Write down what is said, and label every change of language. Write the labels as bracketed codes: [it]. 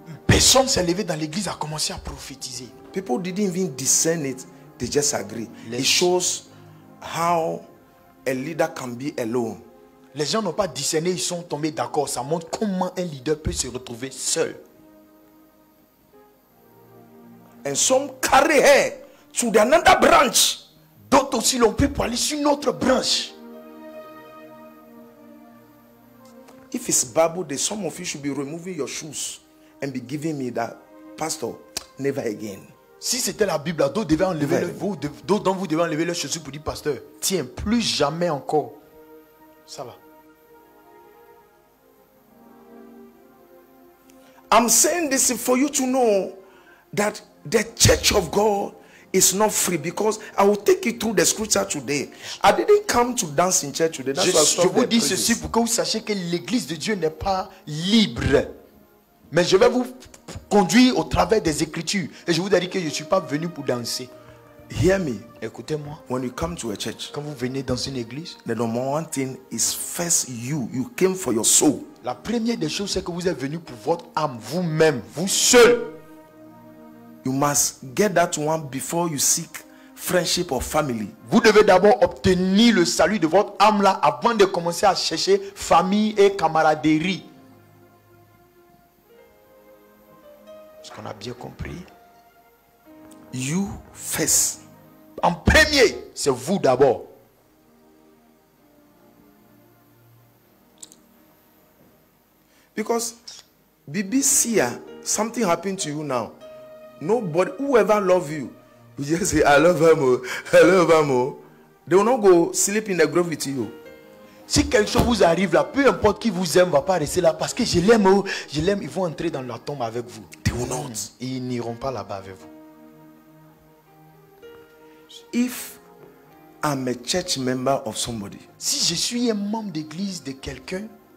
[fr] Personne s'est levé dans l'église a commencé à prophétiser. [en] People didn't even discern it. They just agree. It shows how a leader can be alone. [fr] Les gens n'ont pas discerné, ils sont tombés d'accord. Ça montre comment un leader peut se retrouver seul. [en] And some carry her to the another branch. [fr] D'autres aussi l'ont pris pour aller sur une autre branche. [en] If it's Bible day, some of you should be removing your shoes and be giving me that, pastor, never again. [fr] Si c'était la Bible, d'autres devaient enlever leurs chaussures pour dire, pasteur, tiens, plus jamais encore. Ça va. [en] I'm saying this for you to know that the church of God is not free, because I will take you through the scripture today. I didn't come to dance in church today. [fr] Je vous dis ceci pour que vous sachiez que l'église de Dieu n'est pas libre. Mais je vais vous conduire au travers des écritures. Et je vous ai dit que je ne suis pas venu pour danser. [en] Hear me. [fr] Écoutez-moi. [en] When you come to a church, [fr] quand vous venez dans une église, [en] the number one thing is first you. You came for your soul. [fr] La première des choses, c'est que vous êtes venu pour votre âme, vous-même, vous seul. [en] You must get that one before you seek friendship or family. [fr] Vous devez d'abord obtenir le salut de votre âme là avant de commencer à chercher famille et camaraderie. Est-ce qu'on a bien compris? [en] You first. [fr] En premier, c'est vous d'abord. [en] Because BBC, something happened to you now. Nobody, whoever love you, will just say, I love her more. They will not go sleep in the grave with you. [fr] Si quelque chose vous arrive là, peu importe qui vous aime, va pas rester là parce que je l'aime, ils vont entrer dans la tombe avec vous. [en] They will not. [fr] Ils n'iront pas là-bas avec vous. [en] If I'm a church member of somebody, [fr] si je suis un membre d'église de quelqu'un,